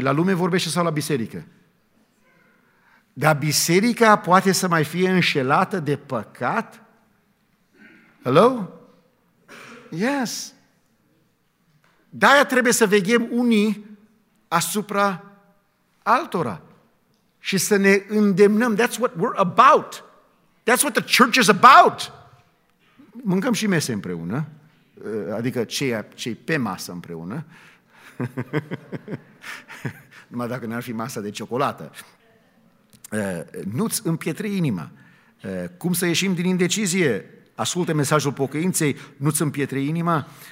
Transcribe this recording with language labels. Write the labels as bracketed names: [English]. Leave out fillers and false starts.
[Romanian] La lume vorbește sau la biserică? Dar biserica poate să mai fie înșelată de păcat? [English] Hello? Yes. [Romanian] De-aia trebuie să veghem unii asupra altora și să ne îndemnăm. [English] That's what we're about. That's what the church is about. [Romanian] Mâncăm și mese împreună, adică cei pe masă împreună, Numai dacă n-ar fi masa de ciocolată. Nu-ți împietri inima. Cum să ieșim din indecizie? Ascultă mesajul pocăinței, nu-ți împietri inima.